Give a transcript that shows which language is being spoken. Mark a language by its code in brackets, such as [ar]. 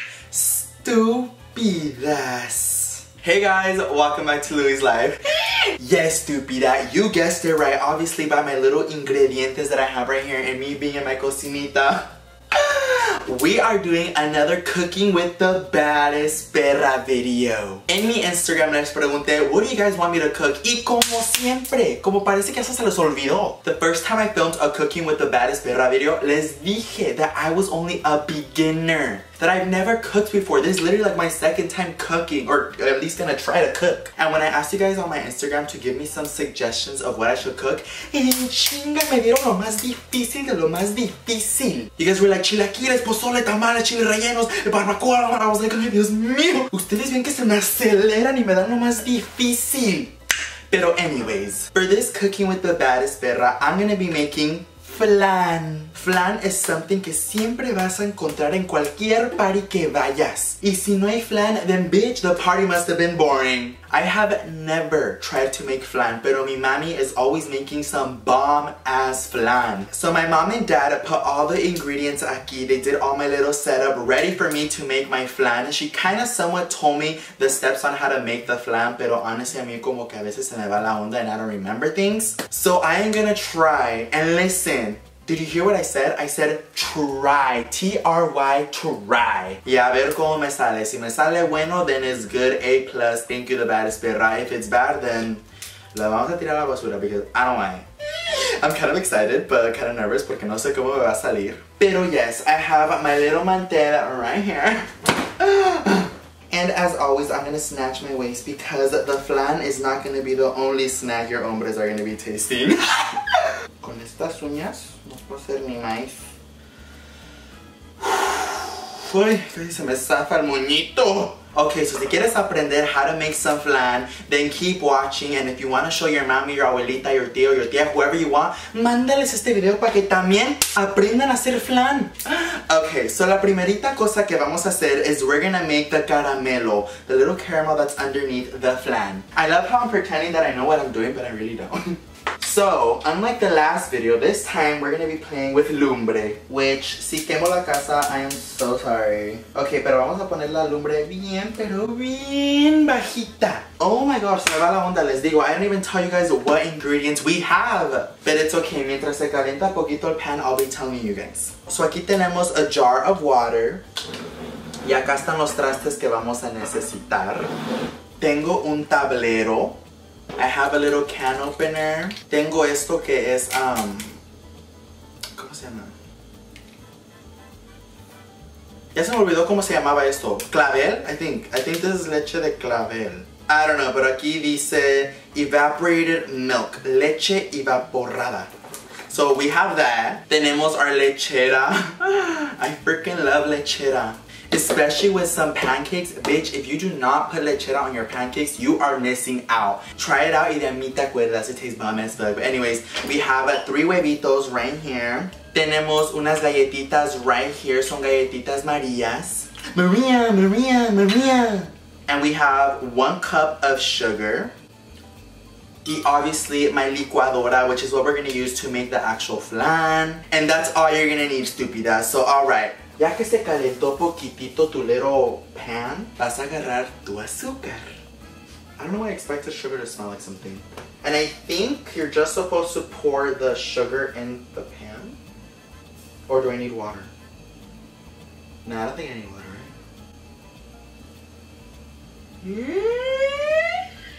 [en] Stupidas. Hey guys, welcome back to Louie's Life. Yes, stupida, you guessed it right. Obviously by my little ingredientes that I have right here and me being in my cocinita. We are doing another cooking with the baddest perra video. In the Instagram, [es] les pregunté, [en] what do you guys want me to cook? [es] Y como siempre, como parece que eso se les olvidó. [en] The first time I filmed a cooking with the baddest perra video, [es] les dije [en] that I was only a beginner. That I've never cooked before. This is literally like my second time cooking, or at least gonna try to cook. And when I asked you guys on my Instagram to give me some suggestions of what I should cook, [es] en chinga me dieron lo más difícil [en] de lo más difícil. You guys were like, chilaquiles, pozole, tamales, chile rellenos, barbacoa. I was like, [es] ay Dios mío, ustedes ven que se me aceleran y me dan lo más difícil. [en] Pero anyways, for this cooking with the baddest perra, I'm gonna be making flan. Flan is something [es] que siempre vas a encontrar en cualquier party que vayas. Y si no hay flan, [en] then bitch, the party must have been boring. I have never tried to make flan, [es] pero mi mami [en] is always making some bomb ass flan. So my mom and dad put all the ingredients aquí. They did all my little setup ready for me to make my flan. She kind of somewhat told me the steps on how to make the flan, pero honestly, [es] a mí como que a veces se me va la onda [en] and I don't remember things. So I am gonna try and listen. Did you hear what I said? I said try, T-R-Y, try. [es] Y a ver cómo me sale. Si me sale bueno, [en] then it's good, A+. Thank you, the baddest perra. If it's bad, then [es] la vamos a tirar a la basura [en] because I don't want it. I'm kind of excited, but kind of nervous [es] porque no sé cómo me va a salir. [en] Pero yes, I have my little mantel right here. And as always, I'm gonna snatch my waist because the flan is not gonna be the only snack your hombres are gonna be tasting. [es] Con estas uñas, no puedo hacer ni maíz. Uy, casi se me zafa el moñito. [en] Okay, so [es] si quieres aprender [en] how to make some flan, then keep watching. And if you want to show your mommy, your abuelita, your tío, your tía, whoever you want, [es] mándales este video para que también aprendan a hacer flan. [en] Okay, so [es] la primerita cosa que vamos a hacer [en] is we're gonna make the caramelo, the little caramel that's underneath the flan. I love how I'm pretending that I know what I'm doing, but I really don't. So, unlike the last video, this time we're gonna be playing with lumbre. Which, [es] si quemo la casa, [en] I am so sorry. [es] Okay, pero vamos a poner la lumbre bien, pero bien bajita. [en] Oh my gosh, [es] me va la onda, les digo. [en] I don't even tell you guys what ingredients we have. But it's okay, [es] mientras se calienta poquito el pan, [en] I'll be telling you guys. So [es] aquí tenemos [en] a jar of water. [es] Y acá están los trastes que vamos a necesitar. Tengo un tablero. [en] I have a little can opener. [es] Tengo esto que es, ¿cómo se llama? Ya se me olvidó cómo se llamaba esto. [en] Clavel, I think this is [es] leche de clavel. [en] I don't know, [es] pero aquí dice [en] evaporated milk. [es] Leche evaporada. [en] So we have that. Tenemos our lechera. I freaking love lechera. Especially with some pancakes. Bitch, if you do not put lechera on your pancakes, you are missing out. Try it out [es] y de mi te acuerdas, [en] it tastes bomb as fuck. But anyways, we have three huevitos right here. [es] Tenemos unas galletitas [en] right here. [es] Son galletitas Marías. Maria, Maria, Maria. [en] And we have 1 cup of sugar. Y obviously my licuadora, which is what we're gonna use to make the actual flan. And that's all you're gonna need, stupida. So all right. [es] Ya que se calentó poquitito tu little pan, vas a agarrar tu azúcar. [en] I don't know why I expected sugar to smell like something. And I think you're just supposed to pour the sugar in the pan. Or do I need water? No, I don't think I need water, right?